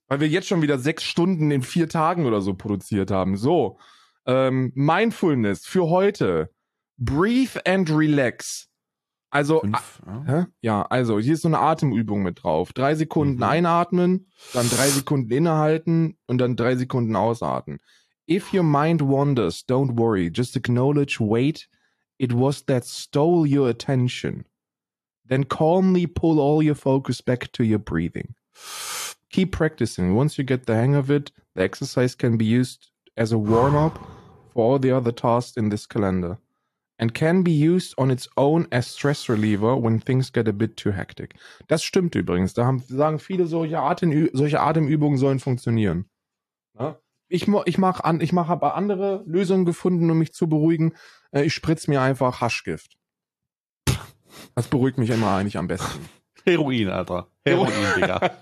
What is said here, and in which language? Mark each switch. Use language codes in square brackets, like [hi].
[de] Weil wir jetzt schon wieder 6 Stunden in 4 Tagen oder so produziert haben. So, Mindfulness für heute. [en] Breathe and relax. [de] Also, also hier ist so eine Atemübung mit drauf. 3 Sekunden einatmen, dann 3 Sekunden innehalten und dann 3 Sekunden ausatmen. [en] If your mind wanders, don't worry. Just acknowledge, wait. It was that stole your attention. Then calmly pull all your focus back to your breathing. Keep practicing. Once you get the hang of it, the exercise can be used as a warm-up for all the other tasks in this calendar and can be used on its own as stress reliever when things get a bit too hectic. [de] Das stimmt übrigens. Da sagen viele, solche Atemübungen sollen funktionieren. Ja? Ich habe andere Lösungen gefunden, um mich zu beruhigen. Ich spritze mir einfach Haschgift. Das beruhigt mich immer eigentlich am besten. Heroin, Alter. Heroin, Digga.